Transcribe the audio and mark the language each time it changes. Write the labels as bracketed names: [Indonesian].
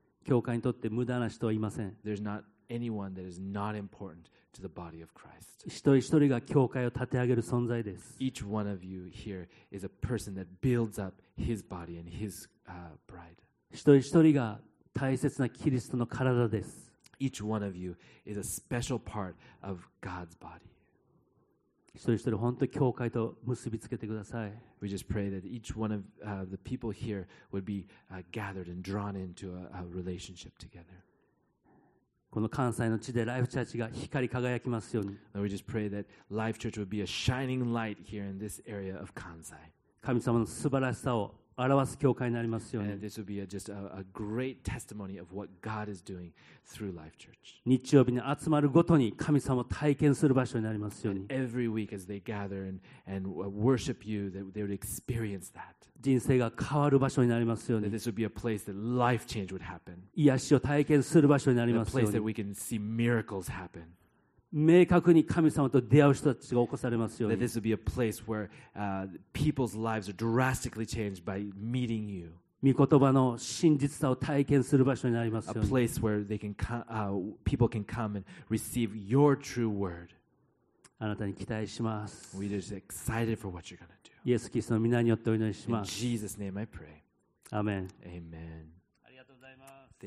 [Japanese] 教会にとって無駄な人はいません。 [English] There's not anyone that is not important to the body of Christ. [Japanese] 一人一人が教会を立て上げる存在です。 [English] Each one of you here is a person that builds up his body and his bride. [Japanese] 一人一人が大切なキリストの体です。 [English] Each one of you is a special part of God's body. [Japanese] 一人一人本当に教会と結びつけてください。 [English] We just pray that each one of the people here would be gathered and drawn into a relationship together. [Japanese] この関西の地でライフチャーチが光り輝きますように。 [English] And we just pray that Life Church would be a shining light here in this area of Kansai. [Japanese] 神様の素晴らしさを表す教会になりますように。 [English] And this would be a, just a great testimony of what God is doing through Life Church. [Japanese] 日曜日に集まるごとに神様を体験する場所になりますように。 [English] And every week as they gather and worship you, that they would experience that. [Japanese] 人生が変わる場所になりますように。 [English] And this would be a place that life change would happen. [Japanese] 癒しを体験する場所になりますように。 [English] A place that we can see miracles happen. [Japanese] 明確に神様と出会う人たちが起こされますように。 [English] That this would be a place where people's lives are drastically changed by meeting you. [Japanese] 御言葉の真実さを体験する場所になりますように。 [English] A place where they can people can come and receive your true word. [Japanese] あなたに期待します。 [English] We are just excited for what you're going to do. [Japanese] イエス・キリストの御名によってお祈りします。 [English] In Jesus' name I pray. Amen. Amen. [Japanese] ありがとうございます。